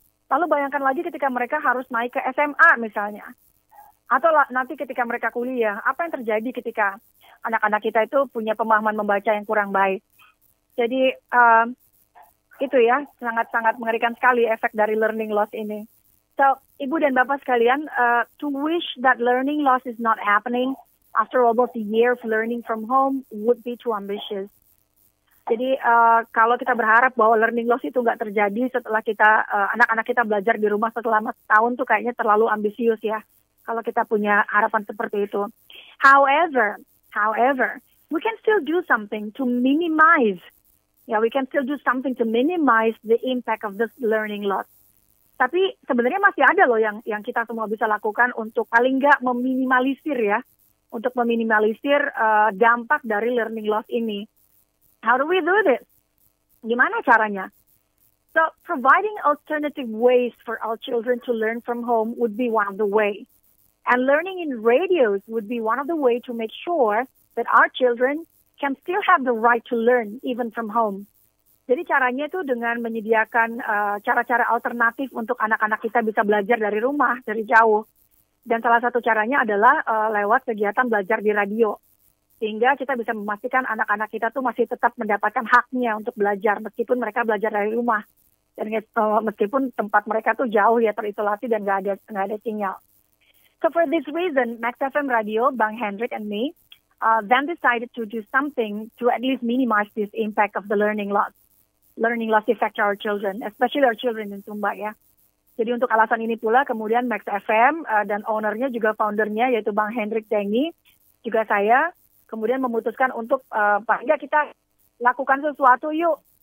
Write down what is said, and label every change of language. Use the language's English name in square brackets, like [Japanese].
[Indonesian] Lalu bayangkan lagi ketika mereka harus naik ke SMA misalnya. Atau nanti ketika mereka kuliah, apa yang terjadi ketika anak-anak kita itu punya pemahaman membaca yang kurang baik? Jadi itu ya, sangat-sangat mengerikan sekali efek dari learning loss ini. [English] So, [Indonesian] ibu dan bapak sekalian, [English] to wish that learning loss is not happening after almost a year of learning from home would be too ambitious. [Indonesian] Jadi, kalau kita berharap bahwa learning loss itu nggak terjadi setelah kita anak-anak kita belajar di rumah selama setahun tuh kayaknya terlalu ambisius ya, kalau kita punya harapan seperti itu. [English] However, we can still do something to minimize. Yeah, we can still do something to minimize the impact of this learning loss. [Indonesian] Tapi sebenarnya masih ada loh yang kita semua bisa lakukan untuk paling nggak meminimalisir ya, untuk meminimalisir dampak dari learning loss ini. [English] How do we do this? [Indonesian] Gimana caranya? [English] So, providing alternative ways for our children to learn from home would be one of the way. And learning in radios would be one of the way to make sure that our children can still have the right to learn even from home. [Indonesian] Jadi caranya itu dengan menyediakan cara-cara alternatif untuk anak-anak kita bisa belajar dari rumah, dari jauh. Dan salah satu caranya adalah lewat kegiatan belajar di radio. Sehingga kita bisa memastikan anak-anak kita tuh masih tetap mendapatkan haknya untuk belajar, meskipun mereka belajar dari rumah. Dan meskipun tempat mereka tuh jauh ya, terisolasi dan nggak ada sinyal. [English] So for this reason, Max FM Radio, Bang Hendrik and me, then decided to do something to at least minimize this impact of the learning loss effect to our children, especially our children in Sumba ya. [Indonesian] Jadi untuk alasan ini pula, kemudian Max FM dan ownernya juga foundernya yaitu Bang Hendrik Dengi, juga saya, kemudian memutuskan untuk kita lakukan sesuatu yuk